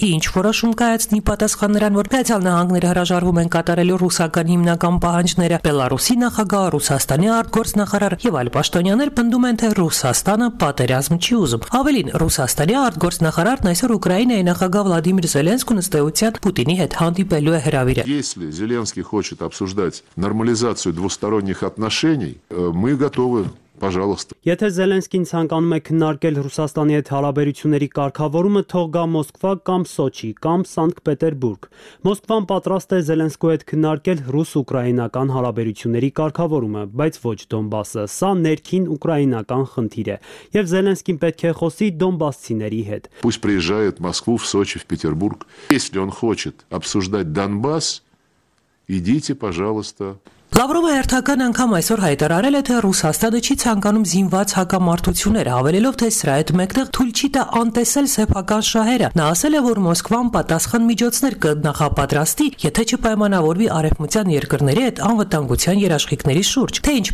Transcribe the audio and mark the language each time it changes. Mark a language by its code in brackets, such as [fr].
[hy] ինչ որոշում կայացնի պատասխան նրան, որ Միացյալ Նահանգները հրաժարվում են կատարելու ռուսական հիմնական պահանջները, Բելարուսի նախագահ, Ռուսաստանի արտգործնախարար եւ այլ պաշտոնյաներ պնդում են, թե Ռուսաստանը պատերազմ չի ուզում։ Ավելին, Ռուսաստանի արտգործնախարարն այսօր Ուկրաինայի նախագահ Վլադիմիր Զելենսկու նստեության Պուտինի հետ հանդիպելու է հրավիրը։ Եթե [ru] Զելենսկի хочет обсуждать нормализацию двусторонних отношений, мы готовы. Пожалуйста. [hy] Եթե Զելենսկին ցանկանում է քննարկել Ռուսաստանի հետ հարաբերությունների կարգավորումը, թող գա Մոսկվա կամ Սոչի կամ Սանկտպետերբուրգ։ Մոսկվան պատրաստ է Զելենսկու հետ քննարկել ռուս-ուկրաինական հարաբերությունների կարգավորումը, բայց ոչ Դոնբասը, սա ներքին ուկրաինական խնդիր է, եւ Զելենսկին պետք է խոսի Դոնբասցիների հետ։ [ru] Пусть приезжает в Москву, в Сочи, в Петербург, если он хочет обсуждать Донбасс, идите, пожалуйста. [hy] Լավրովը հերթական անգամ այսօր հայտարարել է, թե Ռուսաստանը չի ցանկանում զինված հակամարտություններ, ավելելով, թե սրա հետ մեկտեղ թույլ չի տա անտեսել սեփական շահերը։ Նա ասել է, որ Մոսկվան պատասխան միջոցներ կնախապատրաստի, եթե չպայմանավորվի արևմտյան երկրների հետ անվտանգության երաշխիքների շուրջ։ Թե ինչ